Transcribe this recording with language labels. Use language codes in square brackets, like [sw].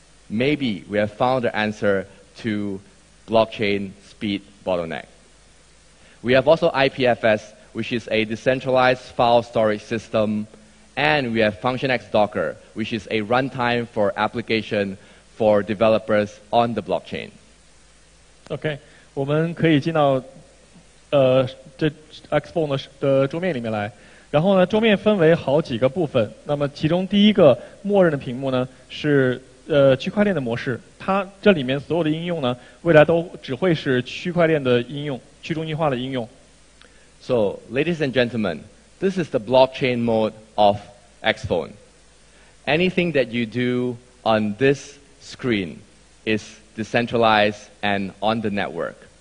[en] Maybe we have found the answer to blockchain speed bottleneck. We have also IPFS, which is a decentralized file storage system, and we have FunctionX Docker, which is a runtime for application for developers on the blockchain. [zh] Okay, 我们可以进到这XPhone的桌面里面来，然后呢，桌面分为好几个部分。那么其中第一个默认的屏幕呢是区块链的模式，它这里面所有的应用呢，未来都只会是区块链的应用，去中心化的应用。 [en] So, ladies and gentlemen, this is the blockchain mode of XPhone. Anything that you do on this screen is decentralized and on the network.